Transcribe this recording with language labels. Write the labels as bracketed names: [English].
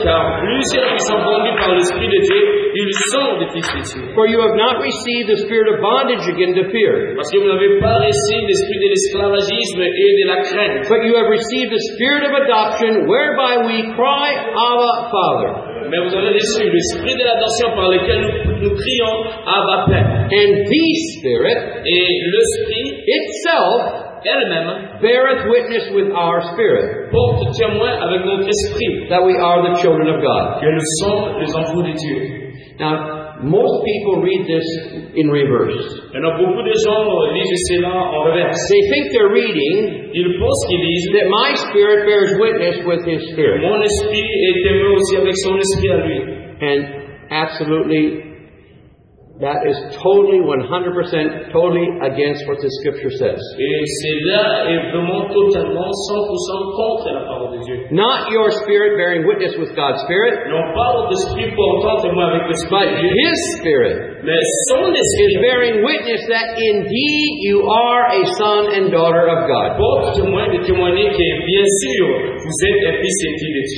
[English] For you have not received the spirit of bondage again to fear, but you have received the spirit of adoption, whereby we cry, Abba, Father. [French] Mais vous avez reçu l'esprit de l'adoption par lequel nous crions Abba Père. [English] And the Spirit, [French] et l'esprit [English] itself, [French] elle-même, [English] beareth witness with our spirit, [French] porte témoin avec notre esprit, [English] that we are the children of God. [French] Que nous sommes les enfants de Dieu. [English] Now, most people read this in reverse. [French] Et donc, beaucoup de gens lisent cela en reverse. [English] They think they're reading, [French] ils pensent qu'ils lisent, [English] that my spirit bears witness with his spirit. [French] Mon esprit est témoin aussi avec son esprit à lui. [English] And absolutely, that is totally 100% totally against what the scripture says. [French] Et cela est vraiment totalement 100% contre la parole de Dieu. [English] Not your spirit bearing witness with God's spirit. [French] Non pas votre esprit portant témoin avec le [English] spirit. But his spirit. [French] Mais son esprit [English] is bearing witness that indeed you are a son and daughter of God. [French] Porte témoin de témoigner que bien sûr vous êtes un fils et fille de Dieu.